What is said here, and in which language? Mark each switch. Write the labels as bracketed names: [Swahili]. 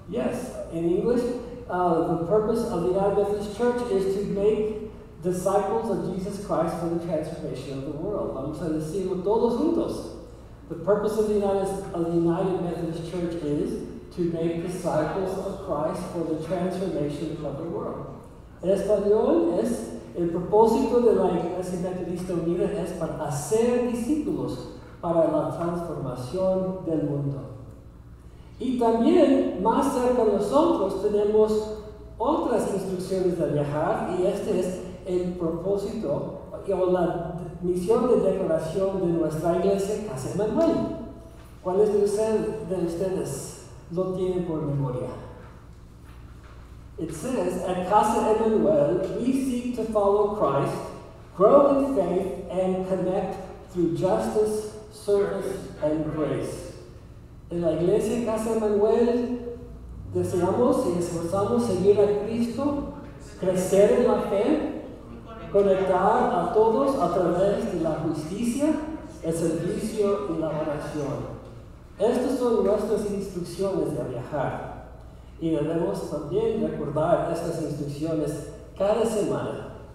[English] Yes, in English, the purpose of the United Methodist Church is to make disciples of Jesus Christ for the transformation of the world. [Spanish] Vamos a decirlo todos juntos. [English] The purpose of the United Methodist Church is to make disciples of Christ for the transformation of the world. [Spanish] En español es, el propósito de la Iglesia Metodista Unida es para hacer discípulos para la transformación del mundo. Y también, más cerca de nosotros, tenemos otras instrucciones de viajar, y este es el propósito o la misión de declaración de nuestra iglesia, Casa Emmanuel. ¿Cuáles de ustedes lo tienen por memoria? [English] It says, at Casa Emmanuel, we seek to follow Christ, grow in faith, and connect through justice, service and grace. [Spanish] En la iglesia Casa Emmanuel deseamos y esforzamos seguir a Cristo, crecer en la fe, conectar a todos a través de la justicia, el servicio y la oración. Estas son nuestras instrucciones de viajar. Y debemos también recordar estas instrucciones cada semana.